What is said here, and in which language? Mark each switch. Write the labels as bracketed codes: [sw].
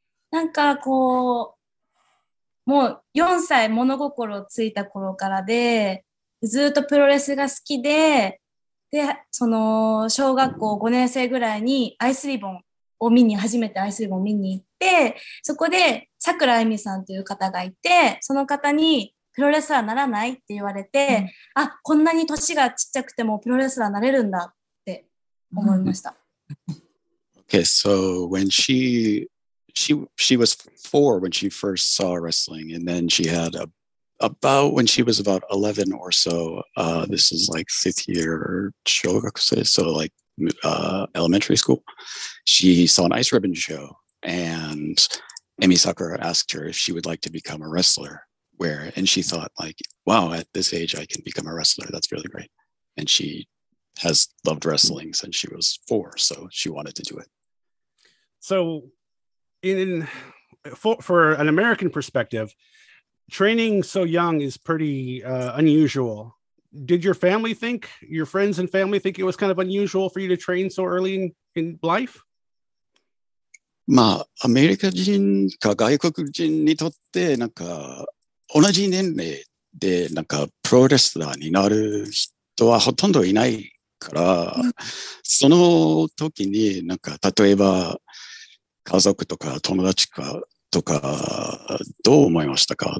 [ja] なんか、こう、もう4歳物心ついた頃からでずっとプロレスが好きで、でその小学校5年生ぐらいにアイスリボンを見に、初めてアイスリボンを見に行って、そこでさくらあゆみさんという方がいて、その方にプロレスラーならないって言われて、うん、あ、こんなに年がちっちゃくてもプロレスラーなれるんだって思いました。 [en] Okay, so when she was four when she first saw wrestling, and then she had a, about when she was about 11 or so. This is like fifth year, so like elementary school. She saw an ice ribbon show, and Amy Sakura asked her if she would like to become a wrestler. And she thought, like, wow, at this age, I can become a wrestler. That's really great. And she has loved wrestling since she was four, so she wanted to do it. So in for an American perspective, training so young is pretty unusual. Did your family think, your friends and family think it was kind of unusual for you to train so early in life? [ja] まあ、アメリカ人か外国人にとってなんか同じ年齢でなんかプロレスラーになる人はほとんどいないから、その時になんか例えば家族とか友達かとかどう思いましたか？